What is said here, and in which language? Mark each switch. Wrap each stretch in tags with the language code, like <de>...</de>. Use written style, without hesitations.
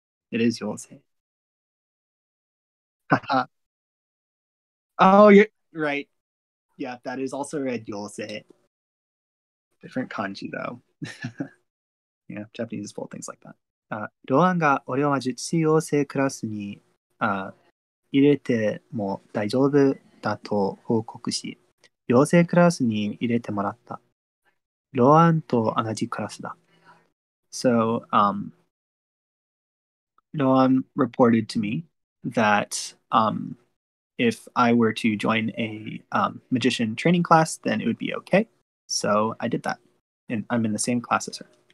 <en>It is 妖精. Haha. Oh, you're right. Yeah, that is also read 妖精. Different kanji, though. Yeah, Japanese is full of things like that.</en> <ja>ローアンが俺を魔術師妖精クラスに… 入れても大丈夫だと報告し、養成クラスに入れてもらった。ローアンと同じクラスだ。So,</ja> <en>ローアン reported to me that if I were to join a magician training class, then it would be okay. So I did that, and I'm in the same class as her.</en>